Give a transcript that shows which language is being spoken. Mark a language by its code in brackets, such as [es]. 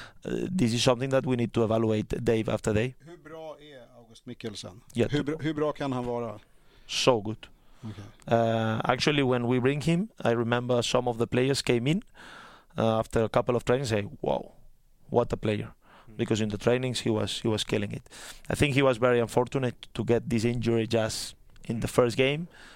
[en] This is something that we need to evaluate day after day. [sv] Hur bra är August Mikkelsen? Hur bra kan han vara? [en] So good. Okay. Actually, when we bring him, I remember some of the players came in after a couple of trainings and say, wow, what a player. Because in the trainings, he was killing it. I think he was very unfortunate to get this injury just in the first game.